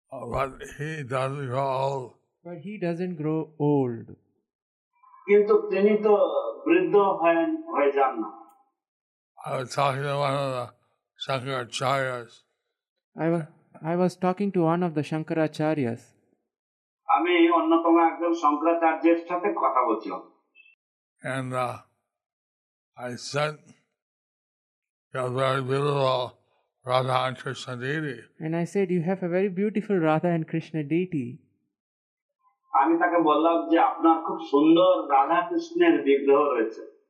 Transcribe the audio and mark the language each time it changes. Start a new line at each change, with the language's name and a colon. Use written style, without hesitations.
English: But he doesn't grow old. But he doesn't grow old.
Bangla: কিন্তু তিনি তো বৃদ্ধ হয়ে যান না।
English: I was talking to one of the Shankaracharyas. I was talking to one of the Shankaracharyas.
Bangla: আমি অন্যতম একজন শঙ্করাচার্যের সাথে কথা বলছিলাম।
English: And I said, you're very beautiful. Radha and Krishna deity. And I said, you have a very beautiful Radha and Krishna deity.
Bangla: আমি তাকে বললাম যে আপনার খুব সুন্দর রাধা কৃষ্ণের বিগ্রহ রয়েছে।